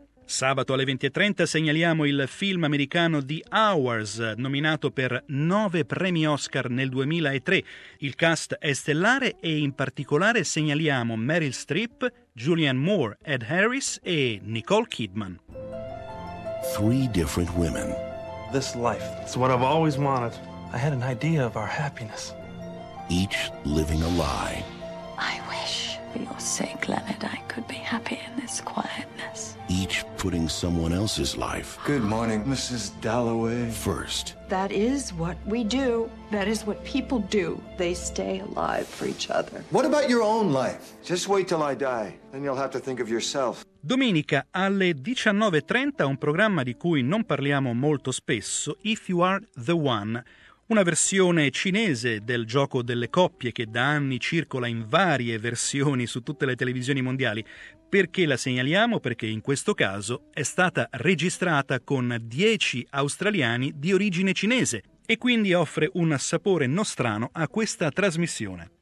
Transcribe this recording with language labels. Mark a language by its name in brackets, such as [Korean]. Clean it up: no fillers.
[Italian] Sabato alle 20.30 segnaliamo il film americano The Hours, nominato per 9 premi Oscar nel 2003. Il cast è stellare e in particolare segnaliamo Meryl Streep, Julianne Moore, Ed Harris e Nicole Kidman. [English] Three different women. This life, it's what I've always wanted. I had an idea of our happiness. Each living a lie. I wish, for your sake, Leonard, I could be happy in this quietness. Each putting someone else's life. Good morning, Mrs. Dalloway. First. That is what we do. That is what people do. They stay alive for each other. What about your own life? Just wait till I die. Then you'll have to think of yourself. [Italian] Domenica alle 19.30 un programma di cui non parliamo molto spesso, If You Are The One. Una versione cinese del gioco delle coppie che da anni circola in varie versioni su tutte le televisioni mondiali. Perché la segnaliamo? Perché in questo caso è stata registrata con 10 australiani di origine cinese e quindi offre un sapore nostrano a questa trasmissione.